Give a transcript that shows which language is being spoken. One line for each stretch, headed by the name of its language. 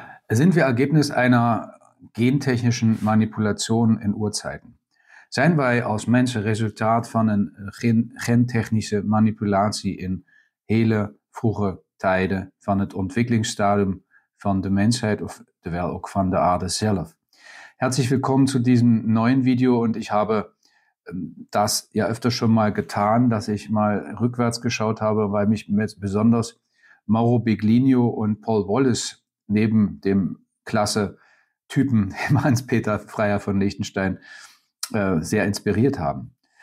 German: sind wir Ergebnis einer gentechnischen Manipulation in Urzeiten?
Dutch: Zijn wij als mensen resultaat van een gentechnische manipulatie in hele vroege tijden van het ontwikkelingsstadium van de mensheid, oftewel ook van de aarde zelf?
German: Herzlich willkommen zu diesem neuen Video und ich habe das ja öfter schon mal getan, dass ich mal rückwärts geschaut habe, weil mich jetzt besonders Mauro Biglino und Paul Wallace neben dem klasse Typen Hans-Peter Freier von Liechtenstein sehr inspiriert haben.